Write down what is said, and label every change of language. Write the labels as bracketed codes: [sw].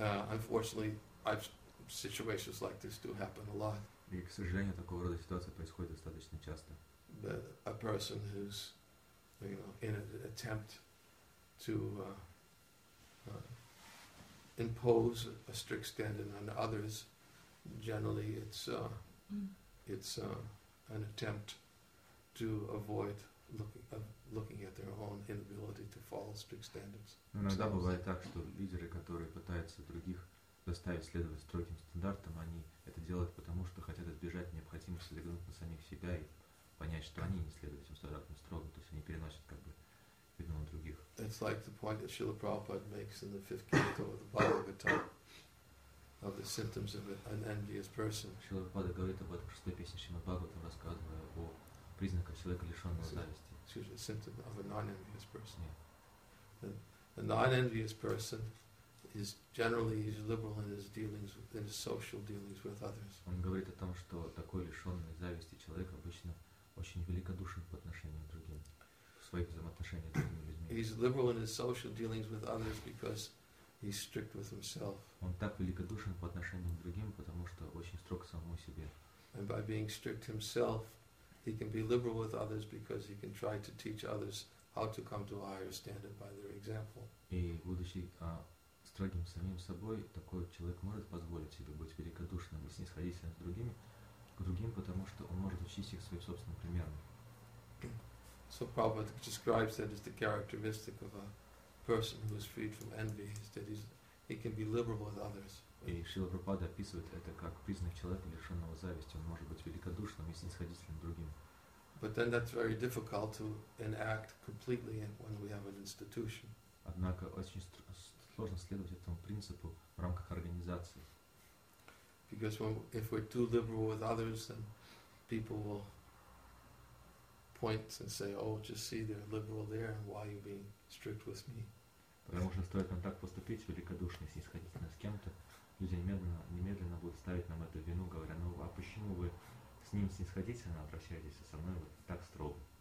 [en] Unfortunately, situations like this do happen a lot. [ru] И, к сожалению, такого рода ситуация происходит достаточно часто. [en] But a person who's, you know, in an attempt to impose a strict standard on others, generally it's an attempt to avoid looking at their own inability to follow strict standards. [ru] Иногда бывает так, что лидеры, которые пытаются других заставить следовать строгим стандартам, они это делают потому, что хотят избежать необходимости взглянуть на самих себя и понять, что они не следуют этим стандартам строго, то есть они переносят как бы вину на других. [en] It's like the point that Srila Prabhupada makes in the fifth canto of the Bhagavata of the symptoms of an envious person. [ru] Srila Prabhupada говорит об этом в шестой песне Шримад Бхагаватам, рассказывая о признаках человека, лишенного зависти. [en] Excuse me, symptom of a non-envious person. A non-envious person is generally he's liberal in his dealings with, in his social dealings with others. [ru] Он говорит о том, что такой лишенный зависти человек обычно очень великодушен по отношению к другим, в своих взаимоотношениях с другими людьми. [en] He's liberal in his social dealings with others because he's strict with himself. [ru] Он так великодушен по отношению к другим, потому что очень строг к самому себе. [en] And by being strict himself, he can be liberal with others because he can try to teach others how to come to a higher standard by their example. [ru] И будучи строгим самим собой, такой человек может позволить себе быть великодушным и снисходительным с другими, к другим, потому что он может учить их своим собственным примером. [en] So Prabhupada describes that as the characteristic of a person who is freed from envy, that he can be liberal with others. [ru] И Шрила Прабхупада описывает это как признак человека, лишенного зависти. Он может быть великодушным и снисходительным к другим. [en] But then that's very difficult to enact completely when we have an institution. [ru] Однако очень сложно следовать этому принципу в рамках организации. [en] Because if we're too liberal with others, then people will point and say, "Oh, just see, they're liberal there. Why are you being strict with me?" [ru] Потому что стоит нам так поступить, великодушно, снисходительно с кем-то, люди немедленно будут ставить нам эту вину, говоря: "Ну, а почему вы с ним снисходительно обращаетесь, а со мной вот так строго?"